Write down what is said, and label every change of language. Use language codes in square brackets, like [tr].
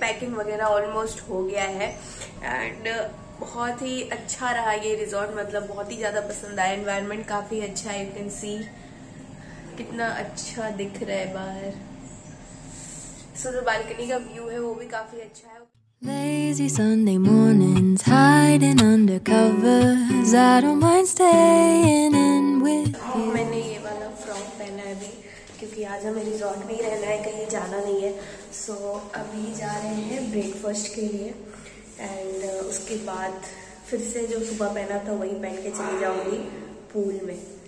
[hi] Packing वगैरह almost हो गया है एंड बहुत ही अच्छा रहा ये रिजॉर्ट. मतलब बहुत ही ज्यादा पसंद आया. एनवायरनमेंट काफी अच्छा है. [en] you can see [hi] कितना अच्छा दिख रहा है बाहर. सो जो बालकनी का व्यू है वो भी काफी अच्छा है. [en] Lazy Sunday mornings, hiding under covers. I don't mind staying in with you. [hi] मैंने ये वाला फ्रॉक पहना है अभी क्योंकि आज हमें रिजॉर्ट में ही रहना है, कहीं जाना नहीं है. सो अभी जा रहे हैं ब्रेकफास्ट के लिए एंड उसके बाद फिर से जो सुबह पहना था वही पहन के चली जाऊंगी पूल में.